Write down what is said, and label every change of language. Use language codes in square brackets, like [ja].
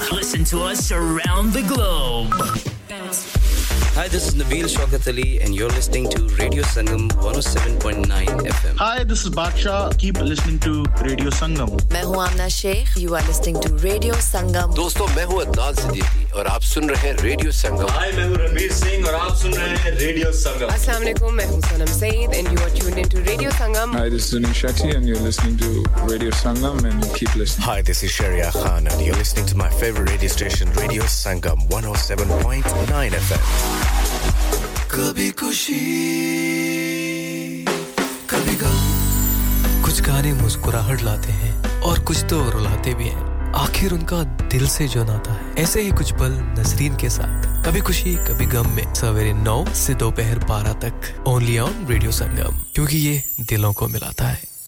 [en] Listen to us around the globe. Hi, this is Nabeel Shaukat Ali, and you're listening to Radio Sangam 107.9 FM. Hi. Hi, this is Baksha. Keep listening to Radio Sangam. [hi] मैं हूँ आमना Sheikh. [en] You are listening to Radio Sangam. [hi] दोस्तों मैं हूँ अदनान सिद्दीकी और आप सुन रहे हैं Radio Sangam. Hi, मैं हूँ रणवीर सिंह और आप सुन रहे हैं Radio Sangam. Assalamualaikum. मैं हूँ [en] Sanam Saeed and you are tuned into Radio Sangam. Hi, this is Anil Shetty and you're listening to Radio Sangam and keep listening. Hi, this is Sharia Khan and you're listening to my favorite radio station Radio Sangam 107.9 FM. [hi] कभी खुशी कभी गम कुछ गाने मुस्कुराहट लाते हैं और कुछ तो रुलाते भी हैं आखिर उनका दिल से जो नाता है ऐसे ही कुछ पल नसरीन के साथ कभी खुशी कभी गम में सवेरे 9 से दोपहर 12 तक [en] only on [hi] रेडियो संगम क्योंकि ये दिलों को मिलाता है